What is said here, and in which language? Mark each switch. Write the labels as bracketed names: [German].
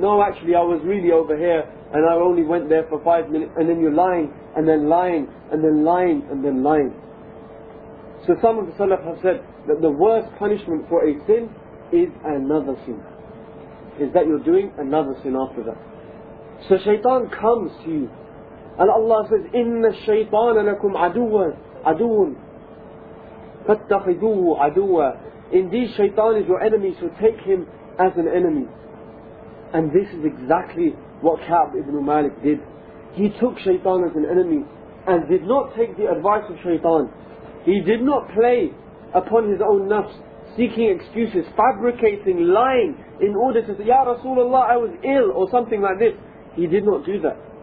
[English] No, actually, I was really over here, and I only went there for 5 minutes. And then you're lying, and then lying, and then lying, and then lying. So some of the Salaf have said that the worst punishment for a sin is another sin. Is that you're doing another sin after that. So shaitan comes to you. And Allah says, [Arabic] إِنَّ الشَّيْطَانَ لَكُمْ عَدُوًا عَدُوٌ فَاتَّخِذُوهُ عَدُوًا. [English] Indeed, shaitan is your enemy, so take him as an enemy. And this is exactly what Ka'b ibn Malik did. He took shaitan as an enemy and did not take the advice of shaitan. He did not play upon his own nafs, seeking excuses, fabricating, lying in order to say, Ya Rasulullah, I was ill, or something like this. He did not do that.